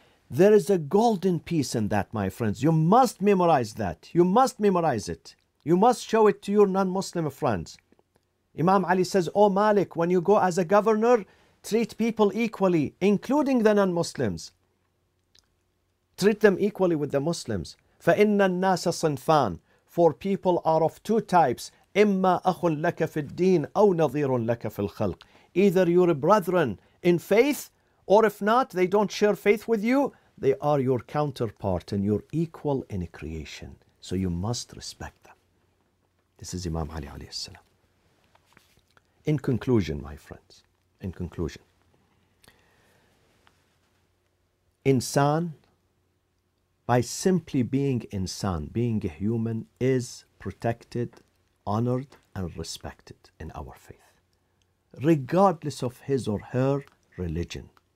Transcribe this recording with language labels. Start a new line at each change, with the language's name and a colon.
English: There is a golden piece in that, my friends. You must memorize that. You must memorize it. You must show it to your non-Muslim friends. Imam Ali says, O Malik, when you go as a governor, treat people equally, including the non-Muslims. Treat them equally with the Muslims.
Arabic: فَإِنَّ النَّاسَ صِنْفَانَ.
English: For people are of two types,
Arabic: إِمَّا أَخٌ لَكَ فِي الدِّينِ أَوْ نَظِيرٌ لَكَ فِي الْخَلْقِ.
English: Either your brethren in faith, or if not, they don't share faith with you, they are your counterpart and your equal in creation. So you must respect them. This is Imam Ali alayhi salam. In conclusion, my friends, in conclusion, insan, by simply being insan, being a human, is protected, honored and respected in our faith, regardless of his or her religion,